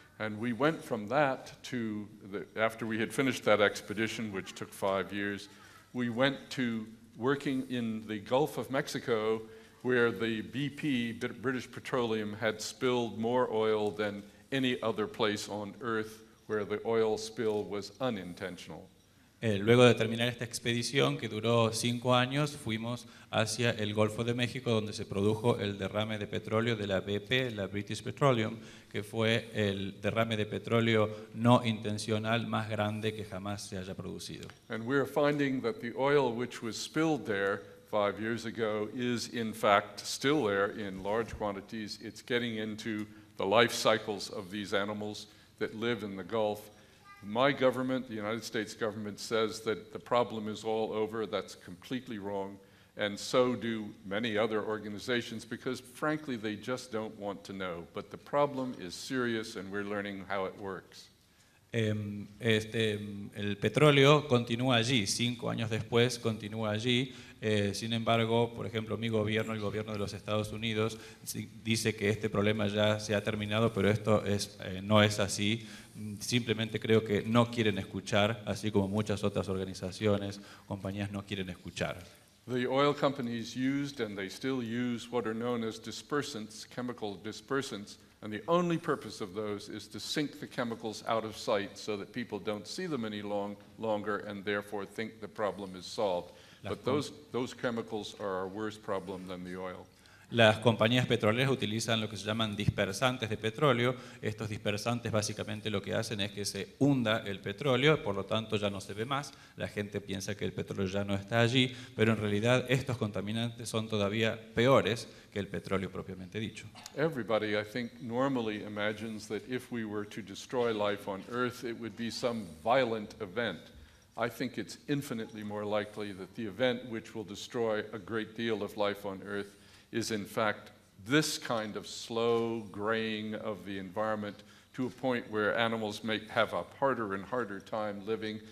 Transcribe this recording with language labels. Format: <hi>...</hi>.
<en>And we went from that to, after we had finished that expedition, which took 5 years, we went to working in the Gulf of Mexico, where the BP, British Petroleum, had spilled more oil than any other place on earth where the oil spill was unintentional.</en> <es>Luego de terminar esta expedición que duró 5 años, fuimos hacia el Golfo de México donde se produjo el derrame de petróleo de la BP, la British Petroleum, que fue el derrame de petróleo no intencional más grande que jamás se haya producido.</es> <en>And we're finding that the oil which was spilled there 5 years ago is in fact still there in large quantities. It's getting into the life cycles of these animals that live in the Gulf. My government, the United States government, says that the problem is all over. That's completely wrong. And so do many other organizations because, frankly, they just don't want to know. But the problem is serious and we're learning how it works.</en> <es>El petróleo continúa allí, 5 años después continúa allí. Sin embargo, por ejemplo, mi gobierno, el gobierno de los Estados Unidos, dice que este problema ya se ha terminado, pero esto no es así. Simplemente creo que no quieren escuchar, así como muchas otras organizaciones, compañías no quieren escuchar.</es> <en>The oil companies used and they still use what are known as dispersants, chemical dispersants, and the only purpose of those is to sink the chemicals out of sight so that people don't see them any longer and therefore think the problem is solved. But those chemicals are our worst problem than the oil.</en> <es>Las compañías petroleras utilizan lo que se llaman dispersantes de petróleo. Estos dispersantes básicamente lo que hacen es que se hunda el petróleo, por lo tanto ya no se ve más. La gente piensa que el petróleo ya no está allí, pero en realidad estos contaminantes son todavía peores que el petróleo propiamente dicho.</es> <en>Everybody, I think, normally imagines that if we were to destroy life on Earth, it would be some violent event. I think it's infinitely more likely that the event which will destroy a great deal of life on Earth is in fact this kind of slow graying of the environment to a point where animals may have a harder and harder time living.</en>